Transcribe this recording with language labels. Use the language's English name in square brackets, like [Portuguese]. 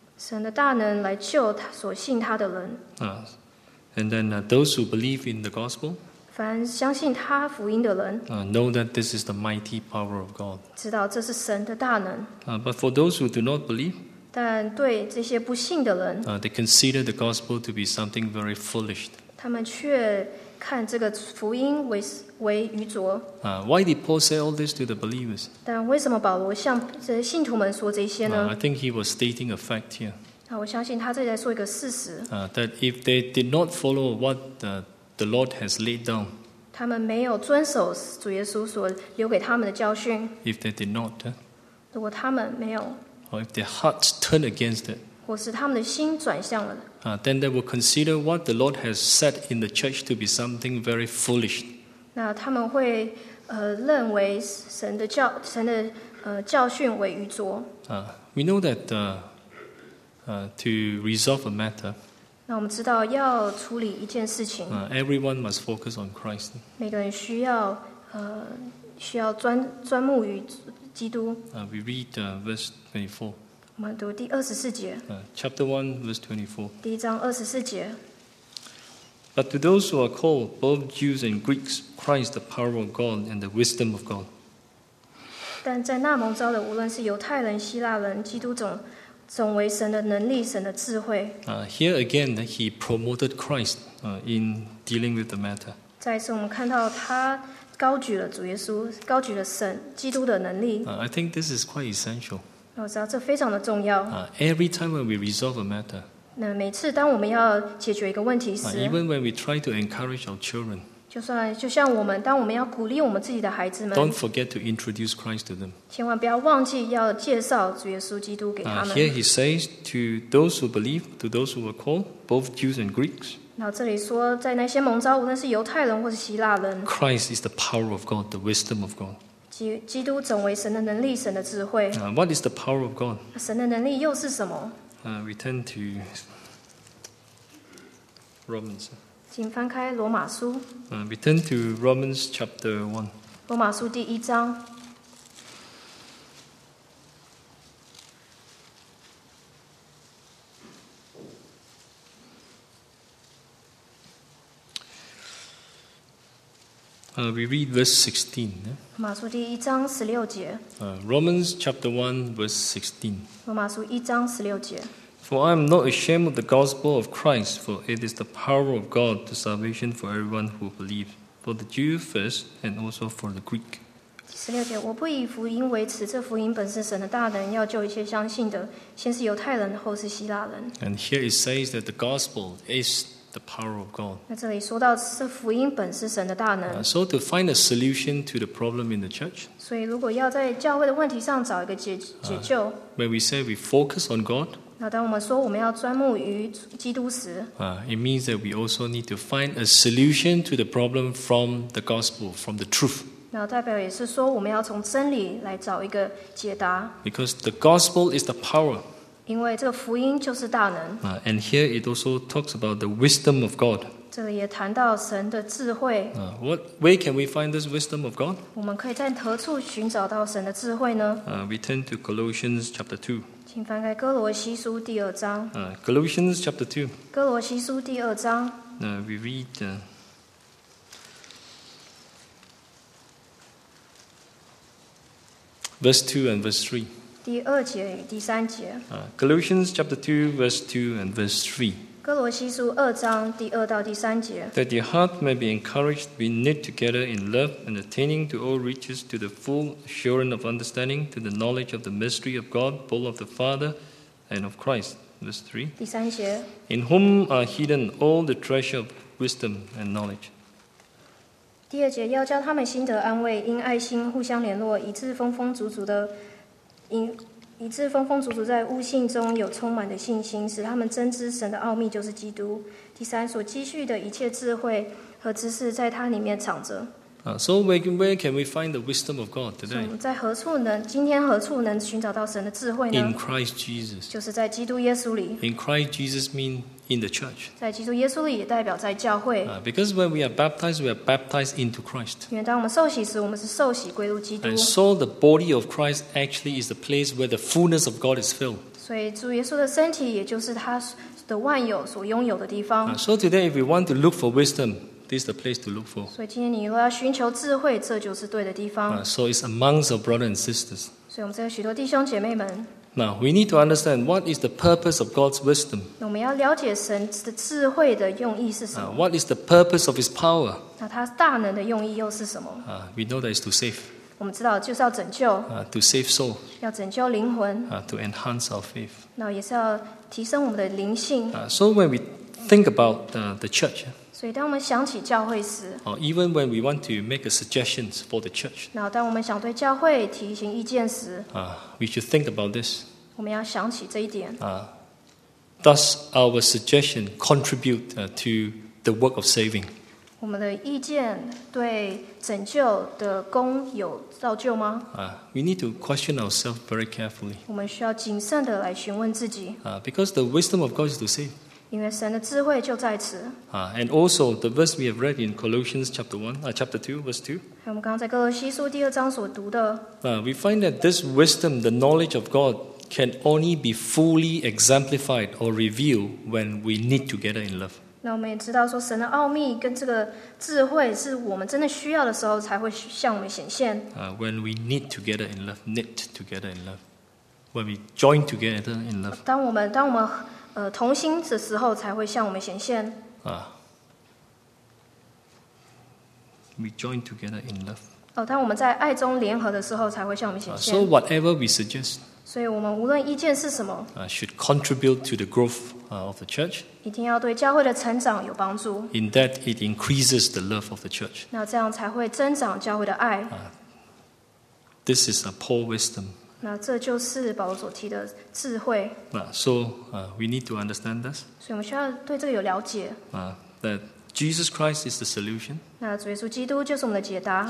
[Chinese] 神的大能来救他所信他的人。 [English] And then those who believe in the gospel, [Chinese] 凡相信他福音的人 [English] know that this is the mighty power of God. [Chinese] 知道这是神的大能。 [English] But for those who do not believe, [Chinese] 但对这些不信的人 [English] they consider the gospel to be something very foolish. [Chinese] 他们却看这个福音为愚拙。 [English] Why did Paul say all this to the believers? [Chinese] 但为什么保罗向这些信徒们说这些呢？ [English] I think he was stating a fact here. [Chinese] 我相信他这里在说一个事实。 [English] That if they did not follow what the Lord has laid down, [Chinese] 他们没有遵守主耶稣所留给他们的教训。 [English] If they did not, [Chinese] 如果他们没有， [English] or if their hearts turned against it. [Chinese] 或是他们的心转向了。 [English] Then they will consider what the Lord has said in the church to be something very foolish. [Chinese] 那他们会认为神的教教训为愚拙。 [English] We know that to resolve a matter. [Chinese] 那我们知道要处理一件事情。 [English] Everyone must focus on Christ. [Chinese] 每个人需要需要 专目于基督。 [English] We read verse 24. [Chinese] 我们读第二十四节。 [English] Chapter 1, verse 24. [Chinese] 第一章二十四节。 [English] But to those who are called, both Jews and Greeks, Christ the power of God and the wisdom of God. [Chinese] 但在那蒙召的，无论是犹太人、希腊人，基督总总为神的能力、神的智慧。 [English] Here again, he promoted Christ in dealing with the matter. [Chinese] 再次我们看到他高举了主耶稣，高举了神基督的能力。 [English] I think this is quite essential. [Chinese] 我知道这非常的重要。 [English] Every time when we resolve a matter. [Chinese] 那每次当我们要解决一个问题时， [English] even when we try to encourage our children, [Chinese] 就像我们当我们要鼓励我们自己的孩子们， [English] don't forget to introduce Christ to them. [Chinese] 千万不要忘记要介绍主耶稣基督给他们。 [English] Here he says to those who believe, to those who were called, both Jews and Greeks. [Chinese] 然后这里说，在那些蒙召，无论是犹太人或是希腊人， [English] Christ is the power of God, the wisdom of God. [Chinese] 基督总为神的能力，神的智慧。 [English] What is the power of God? [Chinese] 神的能力又是什么？ [English] We turn to Romans. [Chinese] 请翻开罗马书。 [English] We turn to Romans chapter 1. [Chinese] 罗马书第一章。 [English] We read verse 16. [Chinese] 罗马书第一章十六节。 [English] Romans chapter 1 verse 16. [Chinese] 罗马书一章十六节。 [English] For I am not ashamed of the gospel of Christ, for it is the power of God to salvation for everyone who believes, for the Jew first, and also for the Greek. [Chinese] 十六节，我不以福音为耻，这福音本是神的大能，要救一切相信的，先是犹太人，后是希腊人。 [English] And here it says that the gospel is the power of God. [Chinese] 那这里说到这福音本是神的大能。 [English] So to find a solution to the problem in the church. [Chinese] 所以如果要在教会的问题上找一个解救。 [English] When we say we focus on God. [Chinese] 那当我们说我们要专注于基督时， [English] it means that we also need to find a solution to the problem from the gospel, from the truth. [Chinese] 那代表也是说我们要从真理来找一个解答。 [English] Because the gospel is the power. [Chinese] 因为这个福音就是大能。 [English] And here it also talks about the wisdom of God. [Chinese] 这里也谈到神的智慧。 [English] Where can we find this wisdom of God? [Chinese] 我们可以在何处寻找到神的智慧呢？ [English] We turn to Colossians chapter 2. [Chinese] 请翻开哥罗西书第二章。 [English] Colossians chapter 2. [Chinese] 哥罗西书第二章。 [English] We read verse 2 and verse 3. [Chinese] 第二节与第三节。 [English] Colossians chapter 2, verse 2 and verse 3. [Chinese] 哥罗西书二章第二到第三节。 [English] That your heart may be encouraged, be knit together in love, and attaining to all riches, to the full assurance of understanding, to the knowledge of the mystery of God, both of the Father and of Christ. Verse 3. [Chinese] 第三节。 [English] In whom are hidden all the treasure of wisdom and knowledge. [Chinese] 第二节，要叫他们心得安慰，因爱心互相联络，以致丰丰足足的以致丰丰足足在悟性中有充满的信心，使他们真知神的奥秘就是基督。第三，所积蓄的一切智慧和知识在他里面藏着。 [English] So where can we find the wisdom of God today? [Chinese] 在何处能今天何处能寻找到神的智慧呢？ [English] In Christ Jesus. [Chinese] 就是在基督耶稣里。 [English] In Christ Jesus mean in the church. [Chinese] 在基督耶稣里也代表在教会。 [English] Because when we are baptized, we are baptized into Christ. [Chinese] 因为当我们受洗时，我们是受洗归入基督。 [English] And so the body of Christ actually is the place where the fullness of God is filled. [Chinese] 所以主耶稣的身体也就是他的万有所拥有的地方。 [English] So today, if we want to look for wisdom, this is the place to look for. [Chinese] 所以今天你如果要寻求智慧，这就是对的地方。 [English] So it's amongst our brothers and sisters. [Chinese] 所以我们这有许多弟兄姐妹们。 [English] Now, we need to understand what is the purpose of God's wisdom. [Chinese] 我们要了解神的智慧的用意是什么。 [English] What is the purpose of his power? [Chinese] 那他大能的用意又是什么。 [English] We know that it's to save. [Chinese] 我们知道就是要拯救。 [English] To save soul. [Chinese] 要拯救灵魂。 [English] To enhance our faith. [Chinese] 那也是要提升我们的灵性。 [English] So when we think about the church, [Chinese] 所以当我们想起教会时, [English] even when we want to make a suggestion for the church, [Chinese] 那当我们想对教会提醒意见时, [English] we should think about this. [Chinese] 我们要想起这一点。 [English] Does our suggestion contribute to the work of saving? [Chinese] 我们的意见对拯救的功有造就吗? [English] We need to question ourselves very carefully. [Chinese] 我们需要谨慎地来询问自己。 [English] Because the wisdom of God is to save. [Chinese] 因为神的智慧就在此。 [English] And also the verse we have read in Colossians chapter 1, chapter 2, verse 2. [Chinese] 我们刚刚在哥罗西书第二章所读的。 [English] We find that this wisdom, the knowledge of God, can only be fully exemplified or revealed when we knit together in love. [Chinese] 那我们也知道说神的奥秘跟这个智慧是我们真的需要的时候才会向我们显现。 [English] When we knit together in love, knit together in love. When we join together in love. [Chinese] 当我们同心的时候才会向我们显现。 [English] We join together in love. [Chinese] 当我们在爱中联合的时候才会向我们显现。 [English] So whatever we suggest. [Chinese] 所以我们无论意见是什么。 [English] Should contribute to the growth of the church. [Chinese] 一定要对教会的成长有帮助。 [English] In that it increases the love of the church. [Chinese] 那这样才会增长教会的爱。 [English] This is a poor wisdom. [Chinese] 那这就是保罗所提的智慧。 [English] We need to understand this. [Chinese] 所以我们需要对这个有了解。 [English] That Jesus Christ is the solution. [Chinese] 那主耶稣基督就是我们的解答。